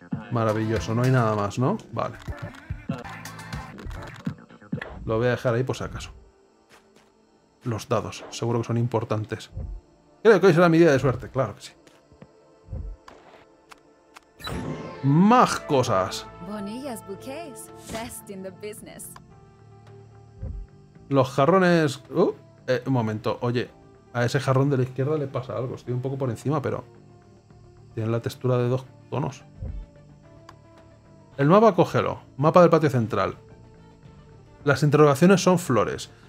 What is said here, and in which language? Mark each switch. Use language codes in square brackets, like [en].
[es] Maravilloso, no hay nada más, ¿no? Vale. Lo voy a dejar ahí por si acaso. Los dados, seguro que son importantes. Creo que hoy será mi día de suerte, claro que sí. Más cosas. [en] Bonillas bouquets, best in the business. [es] Los jarrones... un momento, oye, a ese jarrón de la izquierda le pasa algo. Estoy un poco por encima, pero... Tiene la textura de dos tonos. El mapa, cógelo. Mapa del patio central. Las interrogaciones son flores.